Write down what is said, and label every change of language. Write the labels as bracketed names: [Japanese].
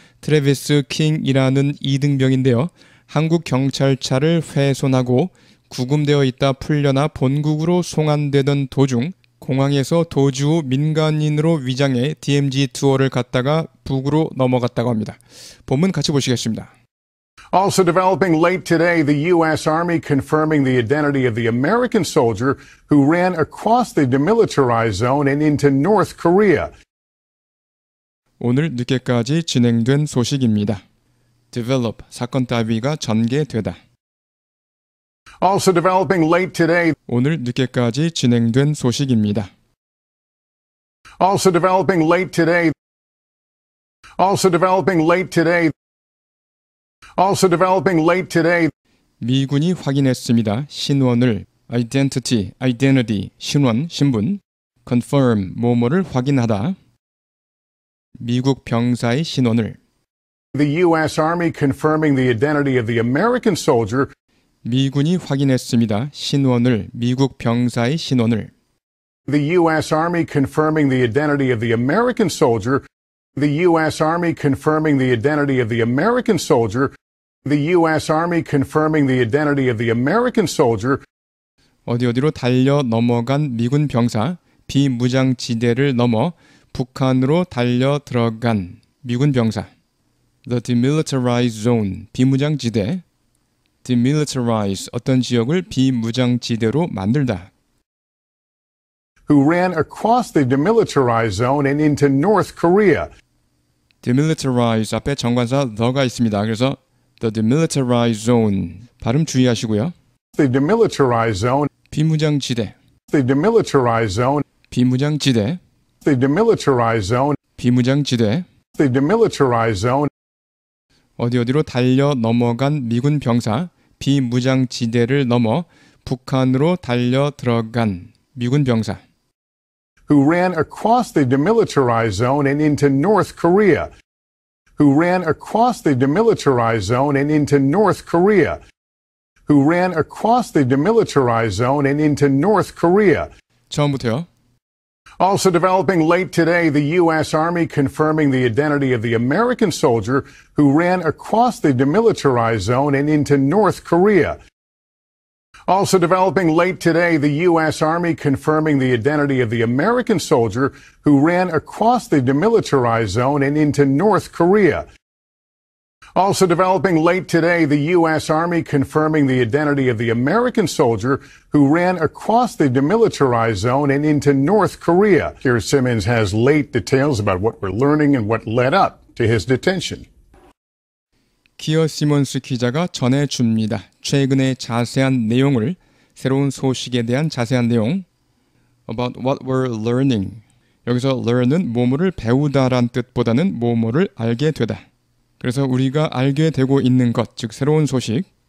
[Korean] 트레비스 킹이라는 이등병인데요. 한국 경찰차를 훼손하고 구금되어 있다 풀려나 본국으로 송환되던 도중 공항에서 도주 후 민간인으로 위장해 DMZ투어를 갔다가 북으로 넘어갔다고 합니다. 본문 같이 보시겠습니다. [English] Also developing late today, the U.S. Army confirming the identity of the American soldier who ran across the demilitarized zone and into North Korea. [Korean] 오늘 늦게까지 진행된 소식입니다. Develop, 사건 따위가 전개되다. [English] Also developing late today, [Korean] 오늘 늦게까지 진행된 소식입니다. [English] Also developing late today, also developing late today, Also developing late today. [Korean] 미군이 확인했습니다. 신원을 identity, identity, 신원, 신분, confirm, 뭐뭐를 확인하다. 미국 병사의 신원을 [English] The US Army confirming the identity of the American soldier. [Korean] 미군이 확인했습니다. 신원을 미국 병사의 신원을 [English] The US Army confirming the identity of the American soldier. The US Army confirming the identity of the American soldier. The U.S. Army confirming the identity of the American soldier. [Korean] 어디어디로 달려 넘어간 미군 병사, 비무장지대를 넘어 북한으로 달려 들어간 미군 병사. The demilitarized zone, 비무장지대. Demilitarize, 어떤 지역을 비무장지대로 만들다. [English] Who ran across the demilitarized zone and into North Korea. [Korean] Demilitarize, 앞에 정관사 the가 있습니다. 그래서 The demilitarized zone. 발음 주의하시고요. [English] The demilitarized zone. [Korean] 비무장지대. [English] The demilitarized zone. [Korean] 비무장지대. [English] The demilitarized zone. [Korean] 비무장지대. [English] The demilitarized zone. [Korean] 어디어디로 달려 넘어간 미군 병사, 비무장지대를 넘어 북한으로 달려 들어간 미군 병사. [English] Who ran across the demilitarized zone and into North Korea. Who ran across the demilitarized zone and into North Korea. Who ran across the demilitarized zone and into North Korea. [Korean] 처음부터요. [English] Also developing late today, the U.S. Army confirming the identity of the American soldier who ran across the demilitarized zone and into North Korea. Also developing late today, the U.S. Army confirming the identity of the American soldier who ran across the demilitarized zone and into North Korea. Also developing late today, the U.S. Army confirming the identity of the American soldier who ran across the demilitarized zone and into North Korea. Here, Simmons has late details about what we're learning and what led up to his detention. [Korean] 기어 시몬스 기자가 전해줍니다. 최근의 자세한 내용을, 새로운 소식에 대한 자세한 내용. [English] About what we're learning. [Korean] 여기서 learn은 뭐뭐를 배우다란 뜻보다는 뭐뭐를 알게 되다. 그래서 우리가 알게 되고 있는 것, 즉 새로운 소식.